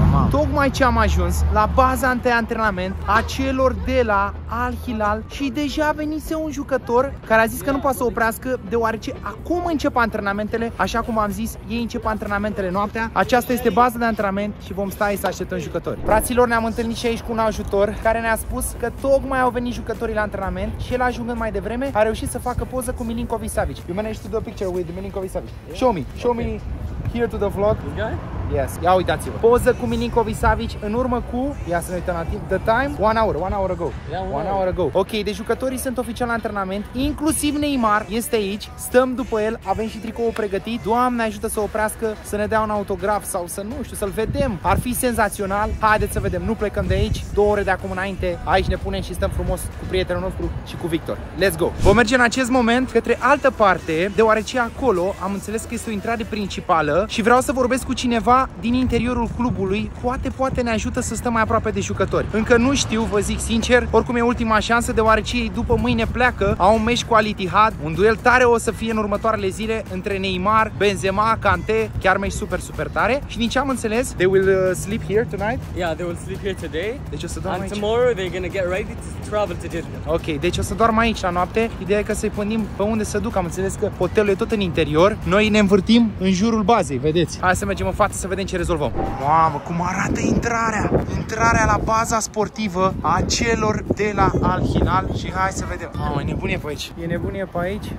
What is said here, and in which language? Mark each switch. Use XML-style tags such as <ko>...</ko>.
<ro>Tocmai ce am ajuns la baza de antrenament a celor de la Al Hilal și deja venise un jucător care a zis că nu poate să oprească, deoarece acum încep antrenamentele, așa cum am zis, ei încep antrenamentele noaptea. Aceasta este baza de antrenament și vom sta aici să așteptăm jucători. Fraților, ne-am întâlnit și aici cu un ajutor care ne-a spus că tocmai au venit jucătorii la antrenament și el, ajungând mai devreme, a reușit să facă poză cu Milinkovic-Savic.</ro> <en>You manage to do a picture with Milinkovic-Savic. Show me here to the vlog. Yes.</en> <ro>Ia uitați-vă. Poză cu Milinkovic-Savic în urmă cu, ia să ne uităm la timp,</ro> <en>the time, one hour ago. Yeah, one hour ago.</en> <ro>Ok, deci jucătorii sunt oficial la antrenament, inclusiv Neymar este aici, stăm după el, avem și tricoul pregătit, Doamne ajută să oprească, să ne dea un autograf sau să nu știu, să-l vedem, ar fi senzațional, haideți să vedem, nu plecăm de aici, 2 ore de acum înainte, aici ne punem și stăm frumos cu prietenul nostru și cu Victor.</ro> <en>Let's go!</en> <ro>Vom merge în acest moment către altă parte, deoarece acolo am înțeles că este o intrare principală și vreau să vorbesc cu cineva din interiorul clubului, poate ne ajută să stăm mai aproape de jucători. Încă nu știu, vă zic sincer, oricum e ultima șansă, deoarece ei după mâine pleacă, au un meci cu Al Ittihad, un duel tare o să fie în următoarele zile între Neymar, Benzema, Kanté, chiar meci super super tare. Și din ce am înțeles,</ro> <en>they will sleep here tonight?</en> <ro>Yeah, they will sleep here today. Deci o să dorm</ro> <en>and</en> <ro>aici.</ro> <en>Tomorrow they're going to get ready to travel to Jeddah.</en> <ro>Ok, deci o să dorm aici la noapte. Ideea e că să-i pândim pe unde să duc, am înțeles că hotelul e tot în interior. Noi ne învârtim în jurul bazei, vedeți? Hai să mergem în față să vedem ce rezolvăm. Mamă, cum arată intrarea! Intrarea la baza sportivă a celor de la Al Hilal și hai să vedem. Mamă, e nebunie pe aici. E nebunie pe aici.</ro>